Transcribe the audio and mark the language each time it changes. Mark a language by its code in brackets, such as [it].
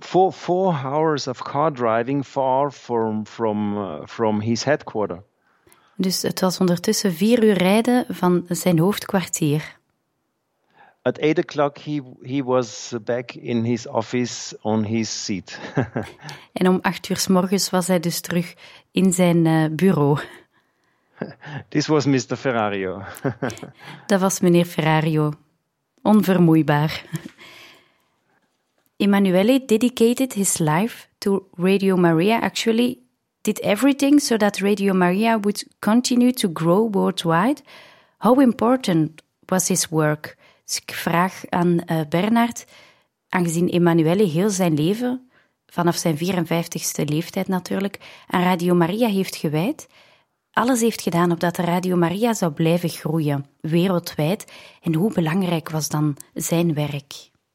[en] Four hours of car driving far from his headquarters. [nl] Dus het was ondertussen 4 uur rijden van zijn hoofdkwartier. [en] At 8 o'clock he was back in his office on his seat. [nl] En om 8 uur 's morgens was hij dus terug in zijn bureau. [en] This was Mr. Ferrario. [nl] Dat was meneer Ferrario. Onvermoeibaar. [en] Emanuele dedicated his life to Radio Maria, actually did everything so that Radio Maria would continue to grow worldwide. How important was his work? [nl] Dus ik vraag aan Bernard, aangezien Emanuele heel zijn leven, vanaf zijn 54ste leeftijd natuurlijk, aan Radio Maria heeft gewijd, alles heeft gedaan opdat Radio Maria zou blijven groeien, wereldwijd. En hoe belangrijk was dan zijn werk?